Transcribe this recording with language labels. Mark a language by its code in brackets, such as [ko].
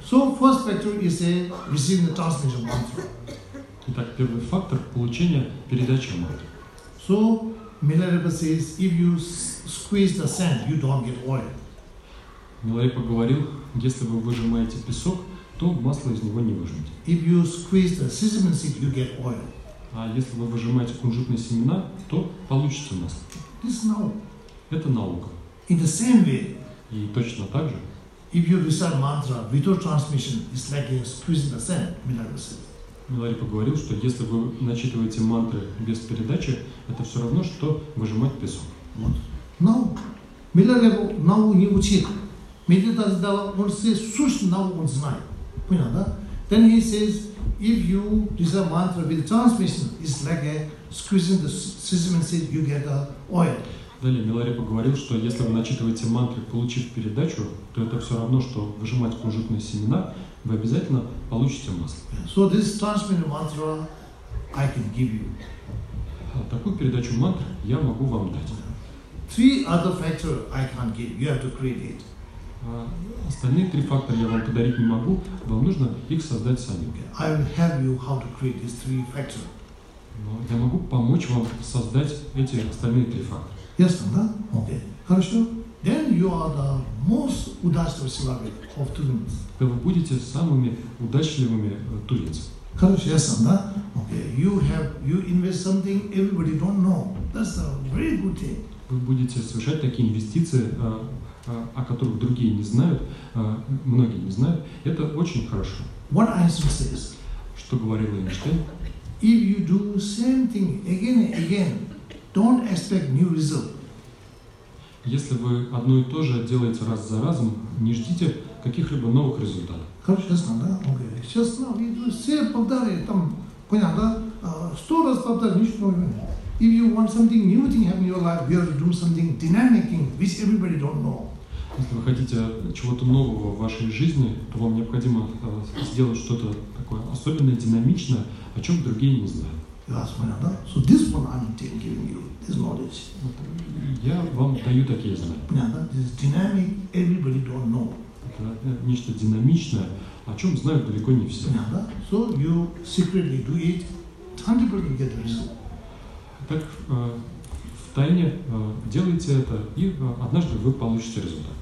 [en] So, first factor is a receiving the transmission mantra. [ru] Итак, первый фактор – получение передачи мантры. [en] So, Миларепа says, if you squeeze the sand, you don't get oil. [ru] Миларепа говорил, если вы выжимаете песок, то масло из него не выжмете. [en] If you squeeze the sesame seed, you get oil. [ru] А если вы выжимаете кунжутные семена, то получится масло. [en] This now. [ru] Это наука. [en] In the same way. [ru] И точно так же. [en] If you recite mantra without transmission, it's like you're squeezing the sand, Milarepa said. [ru] Миларепа говорил, что если вы начитываете мантры без передачи, это все равно, что выжимать песок. Вот. [en] Now, [ru] Миларепа науку не учил. Медита задала, он [en] says, [ru] сущность науку он знает. Понял, да? [en] Then he says, if you recite mantra with transmission, it's like you're squeezing the sesame seed, you get the oil. [ru] Далее Миларепа говорил, что если вы начитываете мантры, получив передачу, то это все равно, что выжимать кунжутные семена, вы обязательно получите масло. [en] So this transmitted mantra I can give you. [ru] Такую передачу мантр я могу вам дать. [en] Three other factors I can't give. You have to create it. [ru] Остальные три фактора я вам подарить не могу. Вам нужно их создать самим. [en] I will help you how to create these three factors. [ru] Но я могу помочь вам создать эти остальные три фактора. Ясно, да? Окей. Хорошо. [en] Then you are the most [ru] удачливый человек [en] of Turins. [ru] То вы будете самыми удачливыми туринцами. Хорошо, ясно, да? Окей. [en] You invest something everybody don't know. That's a very good thing. [ru] Вы будете совершать такие инвестиции, о которых другие не знают, многие не знают. Это очень хорошо. [en] What Einstein says? [ru] Что говорил Эйнштейн? [en] If you do same thing again and again, don't expect new result. [ru] Если вы одно и то же делаете раз за разом, не ждите каких-либо новых результатов. Хорошо, ясно, да? Окей. Сейчас надо все повторять, там, понятно, да? 100 раз повторять, ничего не нужно. [en] If you want something new thing happen in your life, you have to do something dynamic thing, which everybody don't know. [ru] Если вы хотите чего-то нового в вашей жизни, то вам необходимо сделать что-то такое особенное, динамичное, о чем другие не знают. Yes, понял, да? [en] So this one I'm giving you, this knowledge. [ru] Я вам даю такие знания. Понял, да? [en] This dynamic everybody don't know. [ru] Это нечто динамичное, о чем знают далеко не все. Понял, да? [en] So you secretly do it, 100% get the result. [ru] Так в тайне делайте это, и однажды вы получите результат.